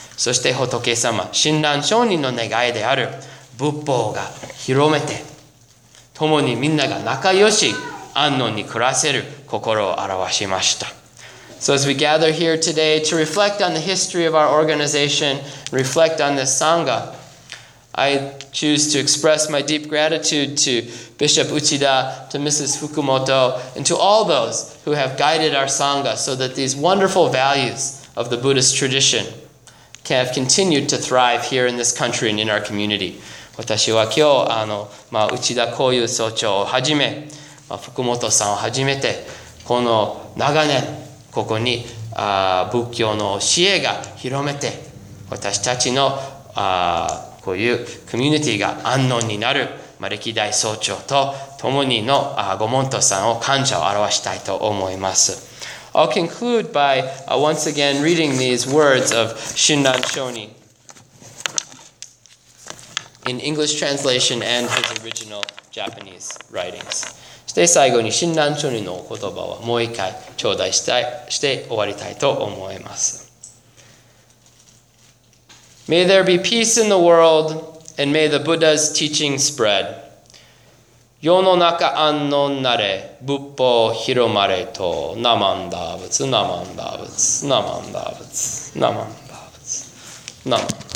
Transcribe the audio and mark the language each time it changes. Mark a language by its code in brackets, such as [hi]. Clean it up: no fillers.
[ja] そして仏様、親鸞聖人の願いである仏法が広めて、共にみんなが仲良し、安穏に暮らせる心を表しました。 [en] So as we gather here today to reflect on the history of our organization, reflect on this Sangha, I choose to express my deep gratitude to Bishop Uchida, to Mrs. Fukumoto, and to all those who have guided our Sangha so that these wonderful values of the Buddhist tradition can have continued to thrive here in this country and in our community. [ja] 私は今日、内田幸雄総長をはじめ、福本さんをはじめて、この長年、ここに仏教の教えが広めて私たちのこういうコミュニティが安穏になる歴代総長と共にのご門徒さんを感謝を表したいと思います。 [en] I'll conclude by once again reading these words of 親鸞聖人 in English translation and his original Japanese writings。 [ja] で最後に親鸞聖人のお言葉をもう一回頂戴して終わりたいと思います。 [en] May there be peace in the world, and may the Buddha's teaching spread. [ja] 世の中安穏なれ、仏法広まれと、ナマンダーブツ、ナマンダーブツ、ナマンダーブツ、ナマンダーブツ、ナマンダーブツ。